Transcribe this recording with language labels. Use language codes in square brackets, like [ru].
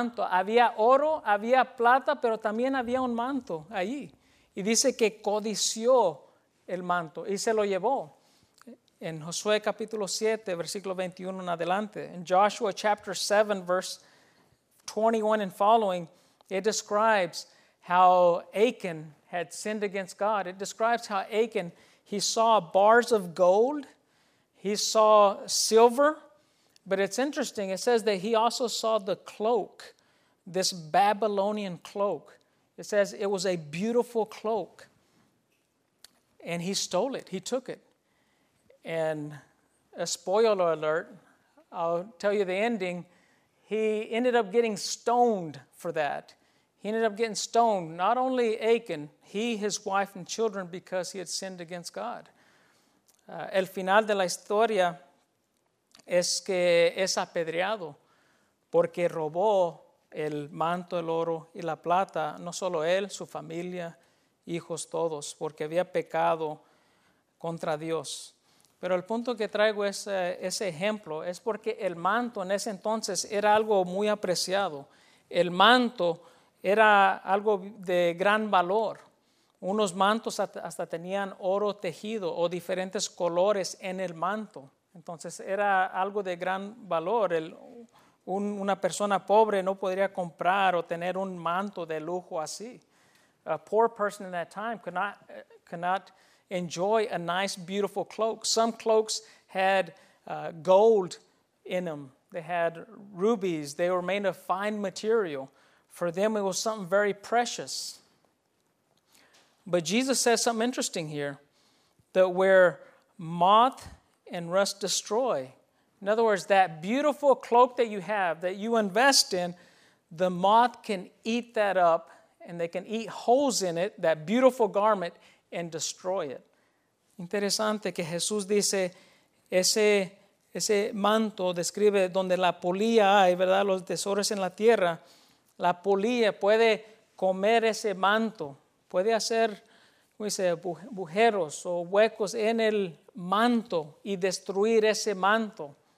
[es] Había oro, había plata, pero también había un manto allí. Y dice que codició el manto y se lo llevó. En Josué capítulo 7, versículo 21 en adelante. [en] En Joshua chapter 7, verse 21 and following, it describes how Achan had sinned against God. It describes how Achan, he saw bars of gold, he saw silver, but it's interesting, it says that he also saw the cloak, this Babylonian cloak. It says it was a beautiful cloak, and he stole it, he took it. And a spoiler alert, I'll tell you the ending. He ended up getting stoned for that. He ended up getting stoned, not only Achan, he, his wife, and children, because he had sinned against God. [es] El final de la historia es que es apedreado porque robó el manto, el oro y la plata. No solo él, su familia, hijos, todos, porque había pecado contra Dios. Pero el punto que traigo es ese ejemplo es porque el manto en ese entonces era algo muy apreciado. El manto era algo de gran valor. Unos mantos hasta tenían oro tejido o diferentes colores en el manto. Entonces era algo de gran valor. Una persona pobre no podría comprar o tener un manto de lujo así. [en] A poor person in that time could not enjoy a nice, beautiful cloak. Some cloaks had gold in them. They had rubies. They were made of fine material. For them, it was something very precious. But Jesus says something interesting here, that where moth and rust destroy. In other words, that beautiful cloak that you have, that you invest in, the moth can eat that up, and they can eat holes in it, that beautiful garment, and destroy it. [es] Interesante que Jesús dice, ese manto describe donde la polilla hay, ¿verdad? Los tesoros en la tierra. La polilla puede comer ese manto, puede hacer, ¿cómo dice?, agujeros o huecos en el manto y destruir ese manto.